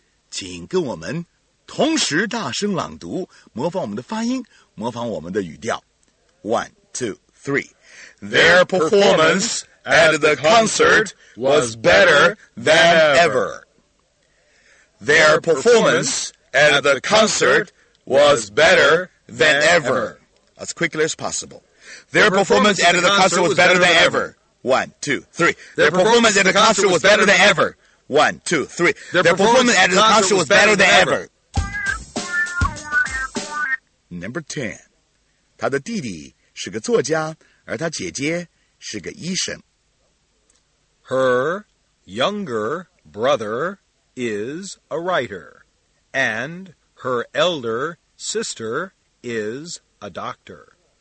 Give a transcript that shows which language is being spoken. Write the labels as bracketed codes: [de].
[zh] 请跟我们同时大声朗读，模仿我们的发音，模仿我们的语调。 [en] One, two, three. Their performance at the concert was better than ever. Their performance at the concert was better than ever. As quickly as possible. Their performance at the concert was better than ever. One, two, three. Their performance at the concert was better than ever. One, two, three. Their performance at the concert was better than ever. Number 10. [zh] 他的弟弟是个作家，而他姐姐是个医生。 [en] Her younger brother is a writer, and her elder sister is a doctor.